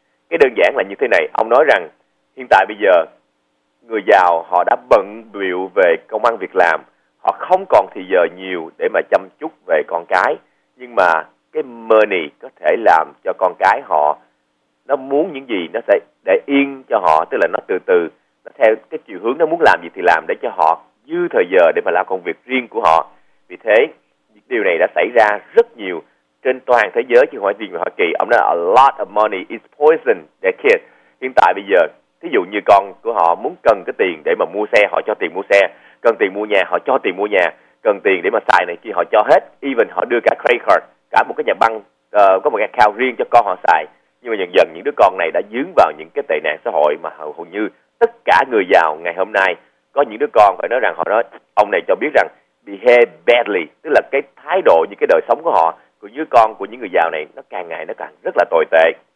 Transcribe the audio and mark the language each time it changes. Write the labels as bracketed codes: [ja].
[vi] Cái đơn giản là như thế này, ông nói rằng hiện tại bây giờ người giàu họ đã bận bịu về công ăn việc làm, họ không còn thời giờ nhiều để mà chăm chút về con cái, nhưng mà cái money có thể làm cho con cái họ, nó muốn những gì nó sẽ để yên cho họ, tức là nó từ từ, nó theo cái chiều hướng nó muốn làm gì thì làm để cho họ dư thời giờ để mà làm công việc riêng của họ. Vì thế, điều này đã xảy ra rất nhiều trên toàn thế giới, chứ không phải riêng Hoa Kỳ. Ông nói, [en] a lot of money is poison their kids. [vi] Hiện tại bây giờ, thí dụ như con của họ muốn cần cái tiền để mà mua xe, họ cho tiền mua xe. Cần tiền mua nhà, họ cho tiền mua nhà. Cần tiền để mà xài này kia, họ cho hết. Even họ đưa cả credit card, cả một cái nhà băng, có một account riêng cho con họ xài. Nhưng mà dần dần những đứa con này đã dướng vào những cái tệ nạn xã hội mà hầu như tất cả người giàu ngày hôm nay có những đứa con phải nói rằng, họ nói, ông này cho biết rằng, [en] behave badly, [vi] tức là cái thái độ như cái đời sống của họ, của những con của những người giàu này, nó càng ngày nó càng rất là tồi tệ.